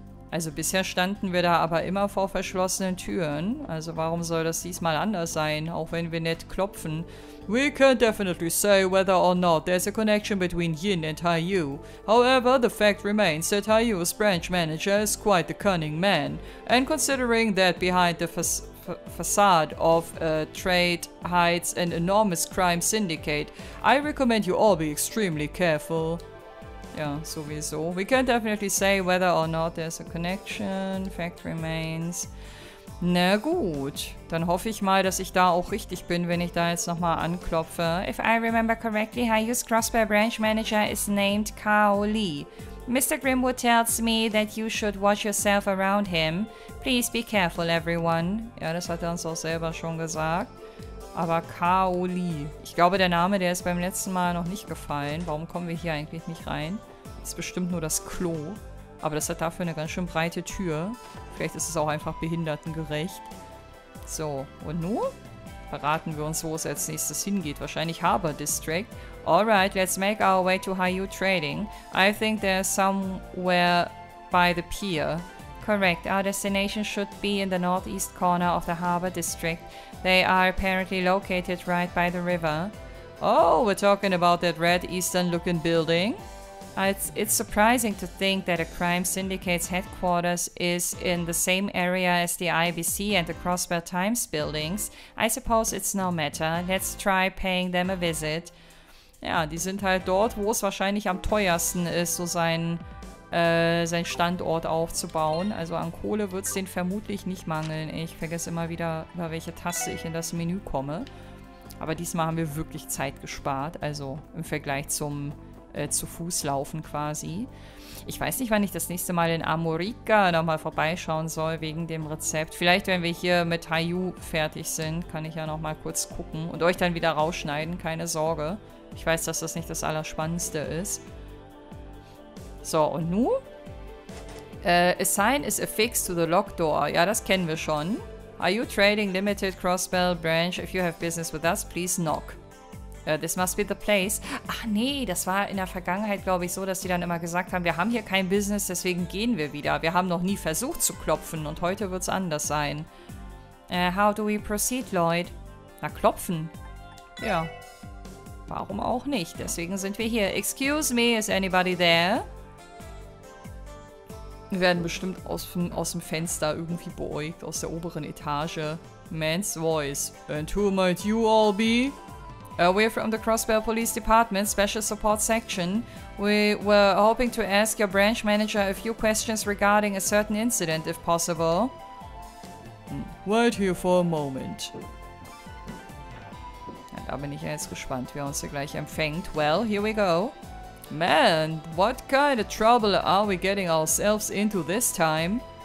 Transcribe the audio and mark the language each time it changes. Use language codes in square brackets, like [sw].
[de] Also bisher standen wir da aber immer vor verschlossenen Türen. Also warum soll das diesmal anders sein, auch wenn wir nett klopfen? [en] We can't definitely say whether or not there's a connection between Yin and Haiyu. However, the fact remains that Haiyu's branch manager is quite the cunning man. And considering that behind the facade of a trade hides an enormous crime syndicate, I recommend you all be extremely careful. [de] Ja, sowieso. [en] We can definitely say whether or not there's a connection. Fact remains. [de] Na gut. Dann hoffe ich mal, dass ich da auch richtig bin, wenn ich da jetzt nochmal anklopfe. [en] If I remember correctly, Haiyu's Crossbow Branch Manager is named Kao Li. Mr. Grimwood tells me that you should watch yourself around him. Please be careful, everyone. [de] Ja, das hat er uns auch selber schon gesagt. Aber Kao Li. Ich glaube, der Name, der ist beim letzten Mal noch nicht gefallen. Warum kommen wir hier eigentlich nicht rein? Das ist bestimmt nur das Klo. Aber das hat dafür eine ganz schön breite Tür. Vielleicht ist es auch einfach behindertengerecht. So, und nun? Verraten wir uns, wo es als nächstes hingeht. Wahrscheinlich Harbor District. [en] Alright, let's make our way to Haiyu Trading. I think there's somewhere by the pier. Correct. Our destination should be in the northeast corner of the Harbor District. They are apparently located right by the river. Oh, we're talking about that red eastern-looking building? It's surprising to think that a crime syndicate's headquarters is in the same area as the IBC and the Crossbow Times buildings. I suppose it's no matter. Let's try paying them a visit. [de] Ja, die sind halt dort, wo es wahrscheinlich am teuersten ist, so sein Standort aufzubauen. Also an Kohle wird es den vermutlich nicht mangeln. Ich vergesse immer wieder, über welche Taste ich in das Menü komme. Aber diesmal haben wir wirklich Zeit gespart. Also im Vergleich zum zu Fuß laufen quasi. Ich weiß nicht, wann ich das nächste Mal in Amorica nochmal vorbeischauen soll wegen dem Rezept. Vielleicht, wenn wir hier mit Haiyu fertig sind, kann ich ja nochmal kurz gucken und euch dann wieder rausschneiden. Keine Sorge. Ich weiß, dass das nicht das Allerspannendste ist. So, und nun? [en] A sign is affixed to the lock door. [de] Ja, das kennen wir schon. [en] Are you trading limited crossbell branch? If you have business with us, please knock. This must be the place. [de] Ach nee, das war in der Vergangenheit, glaube ich, so, dass die dann immer gesagt haben, wir haben hier kein Business, deswegen gehen wir wieder. Wir haben noch nie versucht zu klopfen und heute wird es anders sein. [en] How do we proceed, Lloyd? [de] Na, klopfen. Ja. Warum auch nicht? Deswegen sind wir hier. [en] Excuse me, is anybody there? [de] Wir werden bestimmt aus dem Fenster irgendwie beäugt, aus der oberen Etage. [en] Man's voice. And who might you all be? We're from the Crossbell Police Department, Special Support Section. We were hoping to ask your branch manager a few questions regarding a certain incident, if possible. Wait here for a moment. [de] Ja, da bin ich jetzt gespannt, wie er uns hier gleich empfängt. [en] Well, here we go. Man, what kind of trouble are we getting ourselves into this time?